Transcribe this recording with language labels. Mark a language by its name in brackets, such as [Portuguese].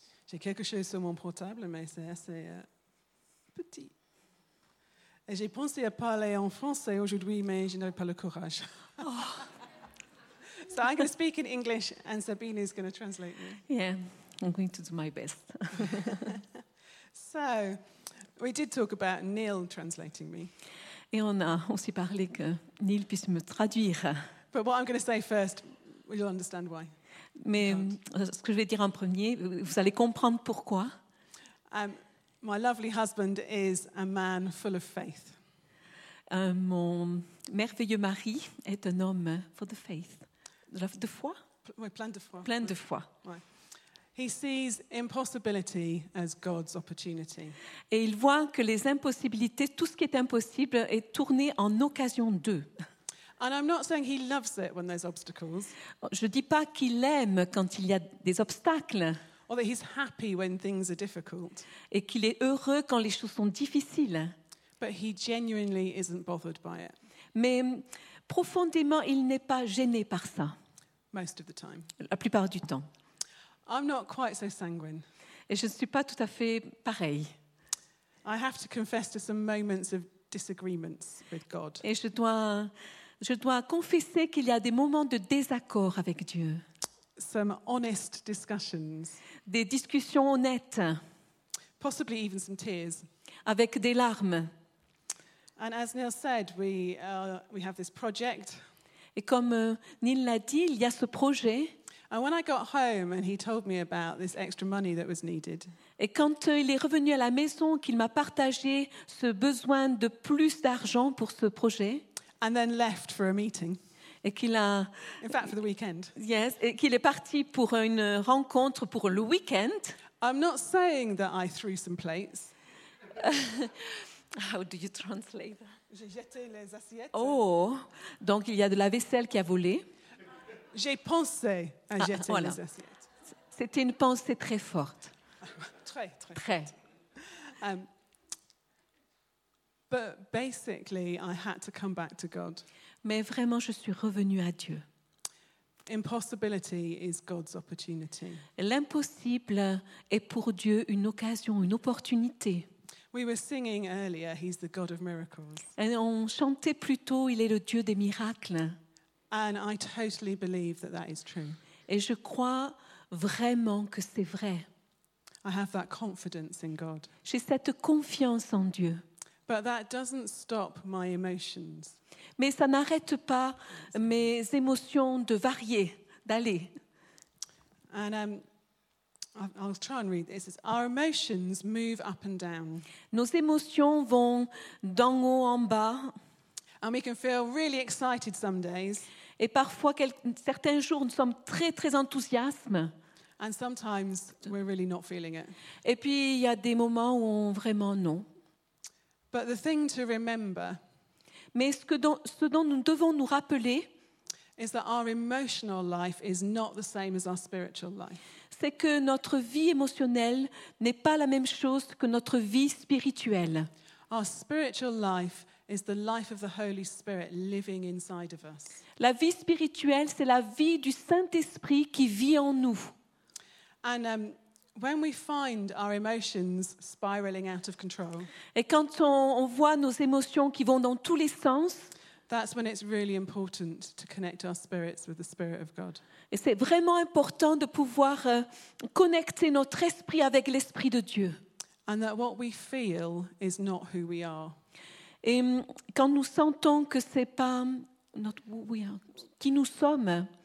[French] J'ai quelque chose sur mon portable, mais c'est assez petit. Et j'ai pensé à parler en français aujourd'hui, mais je n'avais pas le courage. [English] Oh. So I'm going to speak in English, and Sabine is going to translate me. Yeah, I'm going to do my best. So, we did talk about Neil translating me. [French] Et on a aussi parlé que Neil puisse me traduire. [English] But what I'm going to say first, you'll understand why. [French] Mais ce que je vais dire en premier, vous allez comprendre pourquoi. [English] My lovely husband is a man full of faith. [French] Mon merveilleux mari est un homme [English] full of faith. [French] De foi. Plein de foi. [English] Right. He sees impossibility as God's opportunity. [French] Et il voit que les impossibilités, tout ce qui est impossible, est tourné en occasion d'eux. [English] And I'm not saying he loves it when there's obstacles. [French] Je dis pas qu'il aime quand il y a des obstacles. [English] Or that he's happy when things are difficult. [French] Et qu'il est heureux quand les choses sont difficiles. [English] But he genuinely isn't bothered by it. [French] Mais profondément, il n'est pas gêné par ça. [English] Most of the time. [French] La plupart du temps. [English] I'm not quite so sanguine. [French] Et je ne suis pas tout à fait pareil. [English] I have to confess to some moments of disagreements with God. [French] Et je dois confesser qu'il y a des moments de désaccord avec Dieu. [English] Some honest discussions. [French] Des discussions honnêtes. [English] Possibly even some tears. [French] Avec des larmes. [English] And as Neil said, we have this project. [French] Et comme Neil l'a dit, il y a ce projet. [English] And when I got home and he told me about this extra money that was needed. [French] Et quand il est revenu à la maison, qu'il m'a partagé ce besoin de plus d'argent pour ce projet. [English] And then left for a meeting. [French] Et qu'il a, [English] in fact, for the weekend. [French] Yes, et qu'il est parti pour une rencontre pour le weekend. [English] I'm not saying that I threw some plates. How do you translate? [French] J'ai jeté les assiettes. Oh, donc il y a de la vaisselle qui a volé. J'ai pensé à jeter les assiettes. C'était une pensée très forte. Très, très. Très. Forte. [English] But basically, I had to come back to God. [French] Mais vraiment, je suis revenue à Dieu. [English] Impossibility is God's opportunity. [French] L'impossible est pour Dieu une occasion, une opportunité. [English] We were singing earlier, he's the God of miracles. [French] Et on chantait plus tôt, il est le Dieu des miracles. [English] And I totally believe that that is true. [French] Et je crois vraiment que c'est vrai. [English] I have that confidence in God. [French] J'ai cette confiance en Dieu. [English] But that doesn't stop my emotions. [French] Mais ça n'arrête pas mes émotions de varier, d'aller. [English] And I'll try and read this. It says, our emotions move up and down. [French] Nos émotions vont d'en haut en bas. [English] And we can feel really excited some days. [French] Et parfois, certains jours, nous sommes très, très enthousiastes. [English] And sometimes we're really not feeling it. [French] Et puis, il y a des moments où on vraiment non. [English] But the thing to remember, [French] mais ce dont nous devons nous rappeler, [English] is that our emotional life is not the same as our spiritual life. [French] C'est que notre vie émotionnelle n'est pas la même chose que notre vie spirituelle. [English] Our spiritual life is the life of the Holy Spirit living inside of us. [French] La vie spirituelle, c'est la vie du Saint-Esprit qui vit en nous. [English] And when we find our emotions spiraling out of control, [French] et quand on voit nos émotions qui vont dans tous les sens, [English] that's when it's really important to connect our spirits with the Spirit of God. [French] Et c'est vraiment important de pouvoir connecter notre esprit avec l'esprit de Dieu. [English] And that what we feel is not who we are. [French] Et quand nous sentons que c'est pas notre [English] who we are, [French] qui nous sommes.